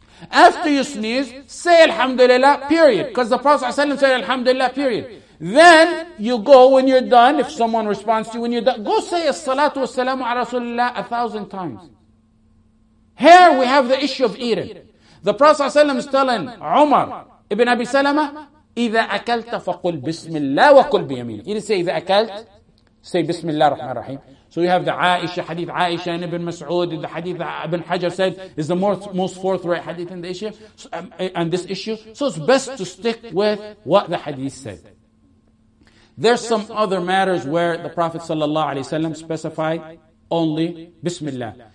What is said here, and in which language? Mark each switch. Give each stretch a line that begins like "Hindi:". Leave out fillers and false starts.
English: After you sneeze, say Alhamdulillah, period. Because the Prophet ﷺ said Alhamdulillah, period. Then you go when you're done, if someone responds to you, when you're done, go say As-Salatu Was-Salamu Ala Rasulullah 1,000 times. Here we have the issue of eating. The Prophet ﷺ is telling Umar ibn Abi Salama,
Arabic: إِذَا أَكَلْتَ فَقُلْ بِسْمِ اللَّهِ وَقُلْ بِيَمِينِ.
English: He didn't say,
Arabic: إِذَا أَكَلْتَ,
English: say
Arabic: بِسْمِ اللَّهِ الرَّحْمَنِ الرَّحِيمِ.
English: So you have the Aisha hadith, Aisha and Ibn Mas'ud, the hadith that Ibn Hajar said is the most forthright hadith in the issue, on this issue. So it's best to stick with what the hadith said. There's some other matters where the Prophet sallallahu alaihi wasallam specified only Bismillah.